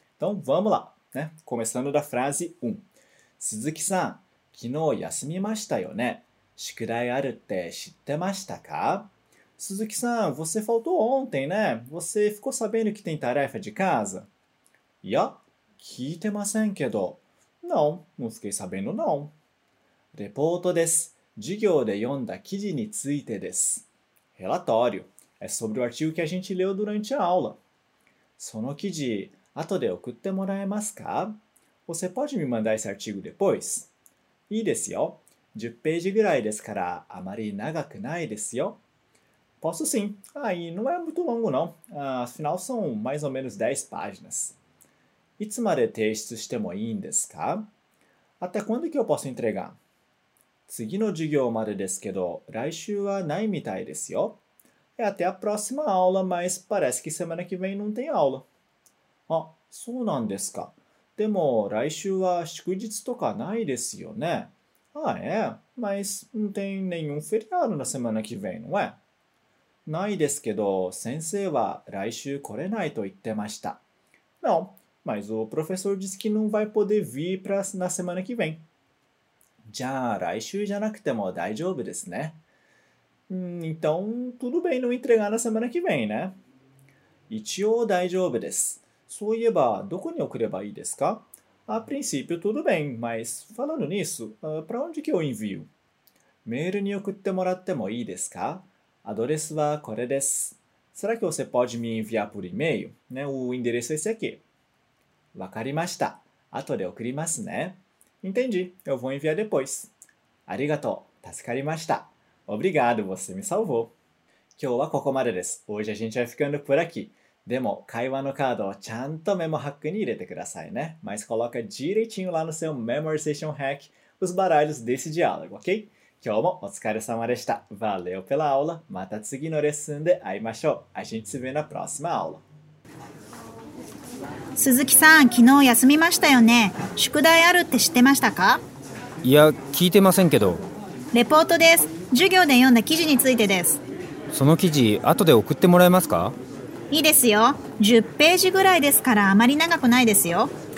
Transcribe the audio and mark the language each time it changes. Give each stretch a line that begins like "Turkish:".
Portuguese: Então, vamos lá, né? Começando da frase 1. Suzuki-san,
Japanese: kino yasumimashita yo ne? Shikudai aru te shittemashita ka?
Portuguese: Suzuki-san, você faltou ontem, né? Você ficou sabendo que tem tarefa de casa?
Japanese: Ya, kiitemasen kedo.
Portuguese: Não, não fiquei sabendo, não.
Japanese: Reporto desu. 授業で読んだ記事についてです。
Portuguese: Relatório. É sobre o artigo que a gente leu durante a aula.
Japanese: その記事、後で送ってもらえますか?
Portuguese: Você pode me mandar esse artigo depois?
Japanese: いいですよ。 10ページぐらいですから、あまり長くないですよ。
Portuguese: Posso sim. Ah, e não é muito longo, não. Afinal, são mais ou menos 10 páginas.
Japanese: いつまで提出してもいいんですか?
Portuguese: Até quando que eu posso entregar?
Japanese: 次の授業までですけど、来週はないみたいですよ。
Portuguese: É até a próxima aula, mas parece que semana que vem não tem aula.
Japanese: あ、そうなんですか。でも、来週は祝日とかないですよね。
Portuguese: Ah, é? Mas não tem nenhum feriado na semana que vem, não é?
Japanese: ないですけど、先生は来週来れないと言ってました。
Portuguese: Não, mas o professor disse que não vai poder vir pra, na semana que vem.
Japanese: じゃあ、来週じゃなくても大丈夫ですね。
Portuguese: Então, tudo bem não entregar na semana que vem, né?
Japanese: 一応大丈夫です。そういえば、どこに送ればいいですか?
Portuguese: A princípio, tudo bem, mas falando nisso, para onde que eu envio?
Japanese: メールに送ってもらってもいいですか? アドレスはこれです。
Portuguese: Será que você pode me enviar por e-mail? Né? O endereço é esse aqui.
Japanese: わかりました。後で送りますね。
Portuguese: Entendi. Eu vou enviar depois.
Japanese: Arigato. Tasukarimashita.
Portuguese: Obrigado. Você me salvou.
Japanese: Kyou wa koko made desu.
Portuguese: Hoje a gente vai ficando por aqui.
Japanese: Demo, kaiwa no kado wa chanto memo hack ni irete kudasai ne.
Portuguese: Mas coloca direitinho lá no seu memorization hack os baralhos desse diálogo, ok?
Japanese: Kyou mo otsukaresama deshita.
Portuguese: Valeu pela aula.
Japanese: Mata tsugi no lesson de aimashou.
Portuguese: A gente se vê na próxima aula.
Japanese: 鈴木さん、昨日休みましたよね。宿題あるって知ってましたか？いや、聞いてませんけど。レポートです。授業で読んだ記事についてです。その記事、後で送ってもらえますか？いいですよ。 10ページぐらいですから、あまり長くないですよ。